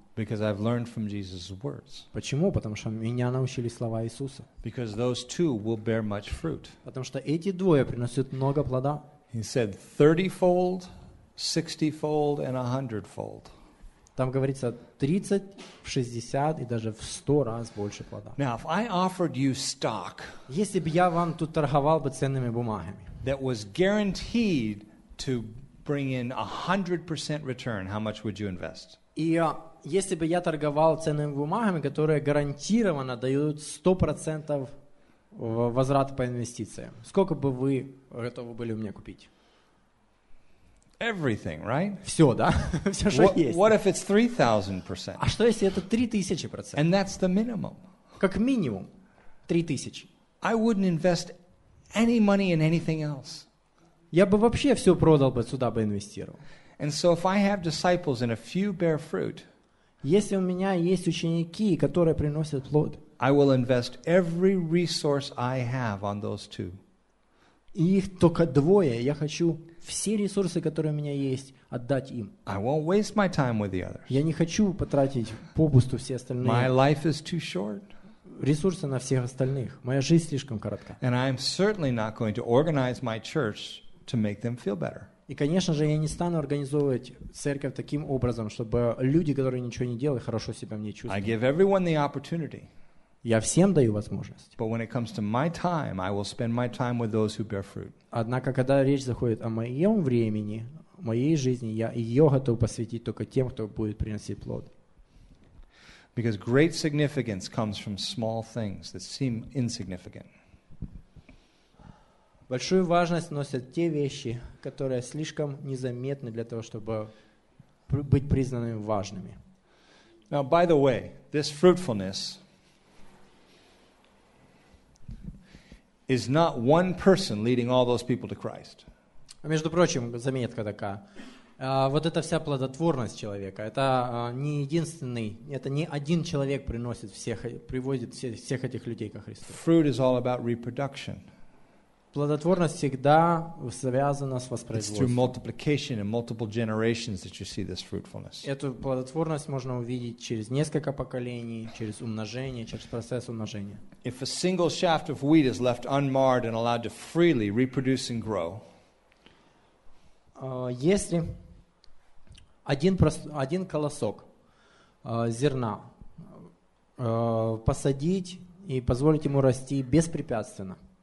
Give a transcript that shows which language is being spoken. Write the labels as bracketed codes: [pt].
[en] Because I've learned from Jesus' words. [ru] Почему? Потому что меня научили слова Иисуса. [en] Because those 2 will bear much fruit. [ru] Потому что эти 2 приносят много плода. [en] He said 30-fold, 60-fold, and 100-fold. [ru] Там говорится 30, в 60 и даже в 100 раз больше плода. [en] Now, if I offered you stock, [ru] если бы я вам тут торговал бы ценными бумагами, [en] that was guaranteed to bring in 100% return, how much would you invest? [ru] И если бы я торговал ценными бумагами, которые гарантированно дают 100% возврат по инвестициям, сколько бы вы готовы были у меня купить? [en] Everything, right? [ru] Все, да? Все, что есть. [en] What if it's 3,000%? [ru] А что если это 3000%? [en] And that's the minimum. [ru] Как минимум 3000. [en] I wouldn't invest any money in anything else. [ru] Я бы вообще все продал бы, сюда бы инвестировал. [en] And so if I have disciples and a few bear fruit, [ru] если у меня есть ученики, которые приносят плод, [en] I will invest every resource I have on those 2. [ru] Их только 2. Я хочу все ресурсы, которые у меня есть, отдать им. [en] I won't waste my time with the others. [ru] Я не хочу потратить попусту все остальные. [en] My life is too short. [ru] Ресурсы на всех остальных. Моя жизнь слишком коротка. [en] And I'm certainly not going to organize my church to make them feel better. [ru] И, конечно же, я не стану организовывать церковь таким образом, чтобы люди, которые ничего не делают, хорошо себя мне чувствовали. [en] I give everyone the opportunity. [ru] Я всем даю возможность. [en] But when it comes to my time, I will spend my time with those who bear fruit. [ru] Однако, когда речь заходит о моем времени, моей жизни, я ее готов посвятить только тем, кто будет приносить плод. [en] Because great significance comes from small things that seem insignificant. [ru] Большую важность носят те вещи, которые слишком незаметны для того, чтобы быть признанными важными. [en] Now, by the way, this fruitfulness is not one person leading all those people to Christ. [ru] Между прочим, заметка такая. Вот эта вся плодотворность человека, это не единственный, это не один человек приносит всех, приводит всех этих людей ко Христу. [en] Fruit is all about reproduction. [ru] Плодотворность всегда связана с воспроизводством. [en] It's through multiplication and multiple generations that you see this fruitfulness. [ru] Эту плодотворность можно увидеть через несколько поколений, через умножение, через процесс умножения. [en] If a single shaft of wheat is left unmarred and allowed to freely reproduce and grow, [ru] если один колосок зерна посадить и позволить ему расти беспрепятственно,